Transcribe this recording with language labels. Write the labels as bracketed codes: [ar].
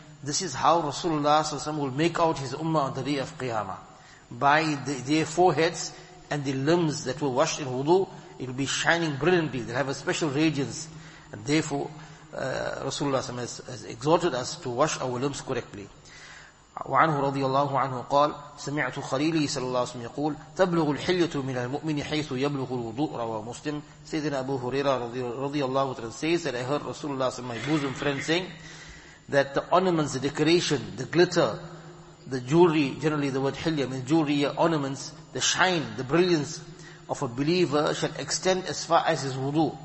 [en] This is how Rasulullah Sallallahu Alaihi Wasallam will make out his ummah on the day of Qiyamah. By their foreheads and the limbs that were washed in wudu, it will be shining brilliantly. They have a special radiance. And therefore, Rasulullah Sallallahu Alaihi Wasallam has exhorted us to wash our limbs correctly. [ar] وعنه رضي الله عنه قال سمعت خليلي صلى الله عليه وسلم يقول تبلغ الحلية من المؤمن حيث يبلغ الوضوء. رواه مسلم. [en] سيدنا أبو هريرة رضي الله عنه says that I heard Rasulullah صلى الله عليه وسلم, my bosom friend, saying that the ornaments, the decoration, the glitter, the jewelry, generally the word حلية means jewelry, ornaments, the shine, the brilliance of a believer shall extend as far as his wudu.